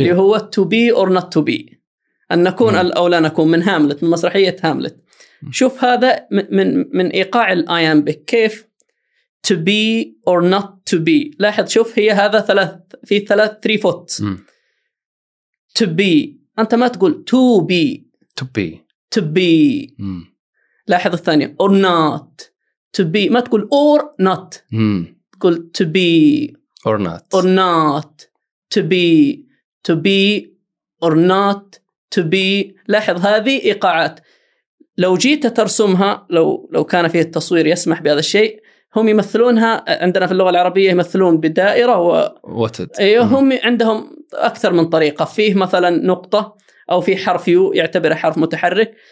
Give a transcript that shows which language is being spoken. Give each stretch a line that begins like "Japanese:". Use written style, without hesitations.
Arabic: اللي هو
English: to be or not to be،
Arabic: أن نكون أو لا نكون، من هاملت، من مسرحية هاملت. شوف هذا من إيقاع الآيامبيك كيف
English: to be or not to be.
Arabic: لاحظ شوف هي هذا ثلاث 3
English: foot to be،
Arabic: أنت ما تقول
English: to be to be to be.
Arabic: لاحظ الثانية
English: or not to be،
Arabic: ما تقول
English: or not،
Arabic: تقول
English: to be or not or not to be to be or not to be.
Arabic: لاحظ هذه إيقاعات، لو جيت ترسمها، لو كان فيه التصوير يسمح بهذا الشيء، هم يمثلونها عندنا في اللغة العربية، يمثلون بدائرة هم عندهم أكثر من طريقة، فيه مثلا نقطة أو في حرف يو يعتبره حرف متحرك.